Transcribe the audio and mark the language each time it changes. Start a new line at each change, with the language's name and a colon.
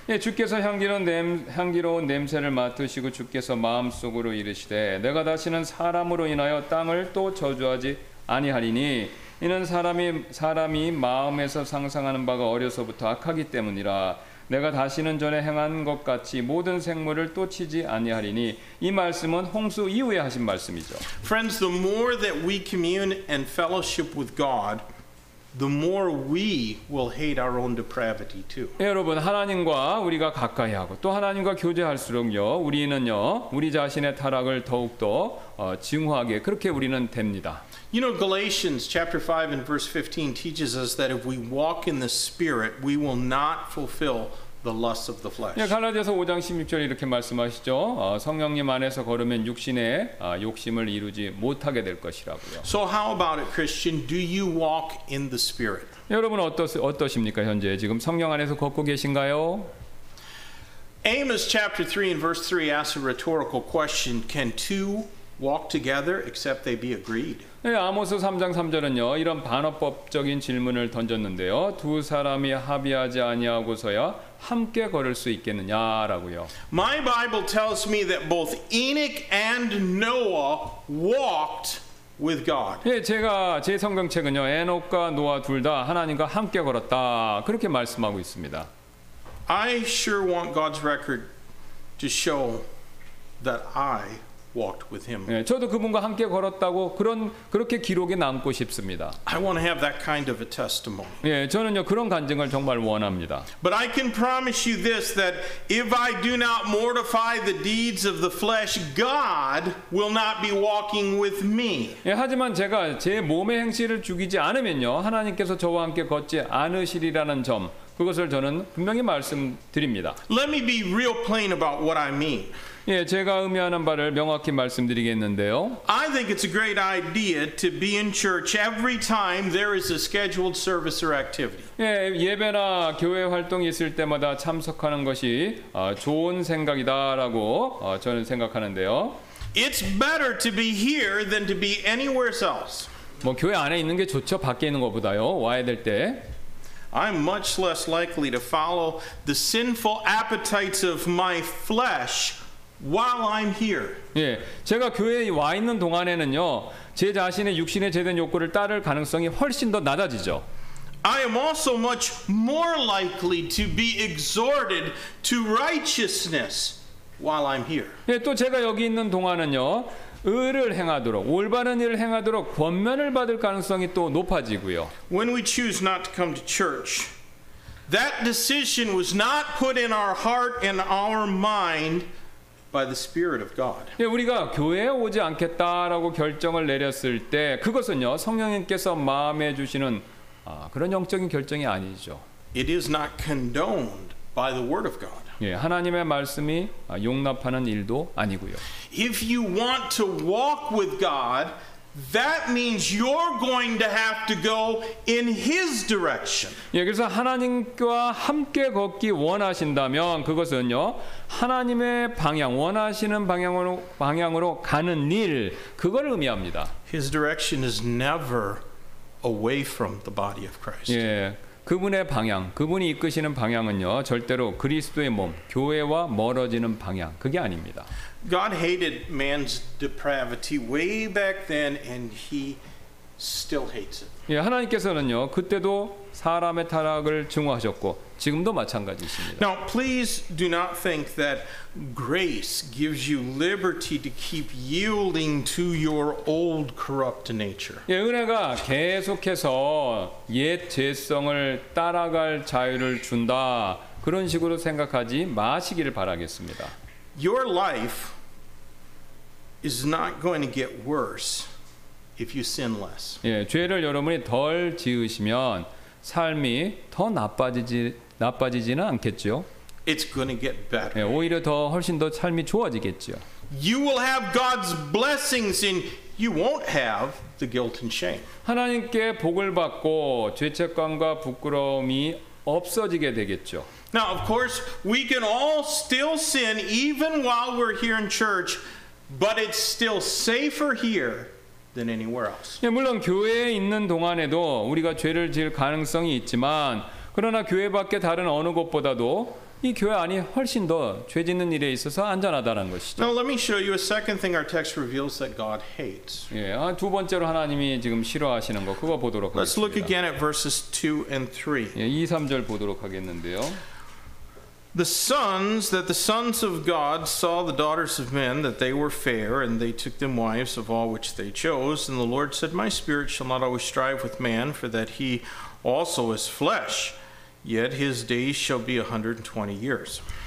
Korean: 주께서 향기로운 냄새를 맡으시고 주께서 마음속으로 이르시되 내가 다시는 사람으로 인하여 땅을 또 저주하지 아니하리니 이는 사람이 마음에서 상상하는 바가 어려서부터 악하기 때문이라 내가 다시는 전에 행한 것 같이 모든 생물을 또 치지 아니하리니 이 말씀은 홍수 이후에 하신 말씀이죠.
English: Friends, the more that we commune and fellowship with God, the more we will hate our own depravity too.
Korean: 여러분, 하나님과 우리가 가까이 하고 또 하나님과 교제할수록요, 우리는요, 우리 자신의 타락을 더욱더 증오하게 그렇게 우리는 됩니다.
English: You know, Galatians chapter 5 and verse 15 teaches us that if we walk in the Spirit, we will not fulfill the lusts of the flesh.
Korean: 갈라디아서 5장 16절 이렇게 말씀하시죠. 성령님 안에서 걸으면 육신의 욕심을 이루지 못하게 될 것이라고요.
English: So how about it, Christian? Do you walk in the Spirit?
Korean: 여러분 어떠십니까 현재 지금 성령 안에서 걷고 계신가요?
English: Amos chapter 3 and verse 3 asks a rhetorical question: Can two walk together except they be agreed?
Korean: 아모스 3장 3절은요 이런 반어법적인 질문을 던졌는데요 두 사람이 합의하지 아니하고서야 함께 걸을 수 있겠느냐라고요.
English: My Bible tells me that both Enoch and Noah walked with God.
Korean: 제 성경책은요 에녹과 노아 둘 다 하나님과 함께 걸었다 그렇게 말씀하고 있습니다.
English: I sure want God's record to show that I walked with him.
Korean: 예, 저도 그분과 함께 걸었다고 그렇게 기록에 남고 싶습니다.
English: I want to have that kind of a testimony.
Korean: 예, 저는요 그런 간증을 정말 원합니다.
English: But I can promise you this that if I do not mortify the deeds of the flesh, God will not be walking with me.
Korean: 예, 하지만 제가 제 몸의 행실을 죽이지 않으면요 하나님께서 저와 함께 걷지 않으시리라는 점 그것을 저는 분명히 말씀드립니다.
English: Let me be real plain about what I mean.
Korean: 예, 제가 의미하는 바를 명확히 말씀드리겠는데요.
English: I think it's a great idea to be in church every time there is a scheduled service or activity.
Korean: 예, 예배나 교회 활동이 있을 때마다 참석하는 것이 좋은 생각이다라고 저는 생각하는데요.
English: It's better to be here than to be anywhere else.
Korean: 뭐 교회 안에 있는 게 좋죠. 밖에 있는 것보다요. 와야 될 때
English: I'm much less likely to follow the sinful appetites of my flesh while I'm here.
Korean: 예, 제가 교회에 와 있는 동안에는요, 제 자신의 육신의 죄된 욕구를 따를 가능성이 훨씬 더 낮아지죠.
English: I am also much more likely to be exhorted to righteousness while I'm here.
Korean: 예, 또 제가 여기 있는 동안은요, 의를 행하도록 올바른 일을 행하도록 권면을 받을 가능성이 또 높아지고요.
English: When we choose not to come to church, that decision was not put in our heart and our mind by the Spirit of God.
Korean: 예, 우리가 교회에 오지 않겠다라고 결정을 내렸을 때 그것은요 성령님께서 마음에 주시는 그런 영적인 결정이 아니죠.
English: It is not condoned by the Word of God.
Korean: 예, 하나님의 말씀이 용납하는 일도 아니고요.
English: If you want to walk with God, that means you're going to have to go in His direction.
Korean: 예, 그래서 하나님과 함께 걷기 원하신다면 그것은요 하나님의 방향 원하시는 방향으로 가는 일 그걸 의미합니다.
English: His direction is never away from the body of Christ.
Korean: 예. 그분의 방향, 그분이 이끄시는 방향은요, 절대로 그리스도의 몸, 교회와 멀어지는 방향, 그게 아닙니다.
English: God hated man's depravity way back then, and He still hates it.
Korean: 예, 하나님께서는요, 그때도 사람의 타락을 증오하셨고, 지금도 마찬가지입니다.
English: Now, please do not think that grace gives you liberty to keep yielding to your old corrupt nature.
Korean: 예, 은혜가 계속해서 옛 죄성을 따라갈 자유를 준다. 그런 식으로 생각하지 마시기를 바라겠습니다.
English: Your life is not going to get worse if you sin less.
Korean: 예, 죄를 여러분이 덜 지으시면 삶이 더 나빠지지는 않겠죠.
English: It's going to get better.
Korean: 예, 오히려 더 훨씬 더 삶이 좋아지겠죠.
English: You will have God's blessings and you won't have the guilt and shame.
Korean: 하나님께 복을 받고 죄책감과 부끄러움이 없어지게 되겠죠.
English: Now, of course, we can all still sin even while we're here in church, but it's still safer here. Than anywhere else.
Korean: 예, 물론 교회에 있는 동안에도 우리가 죄를 지을 가능성이 있지만 그러나 교회 밖에 다른 어느 곳보다도 이 교회 안이 훨씬 더 죄 짓는 일에 있어서 안전하다는 것이죠.
English: Now let me show you a second thing our text reveals that God hates.
Korean: 예, 두 번째로 하나님이 지금 싫어하시는 거 그거 보도록
English: Let's
Korean: 하겠습니다.
English: Let's look again at verses 2 and 3.
Korean: 예, 2, 3절 보도록 하겠는데요.
English: The sons that the sons of God saw the daughters of men that they were fair and they took them wives of all which they chose and the Lord said my spirit shall not always strive with man for that he also is flesh yet his days shall be 120 years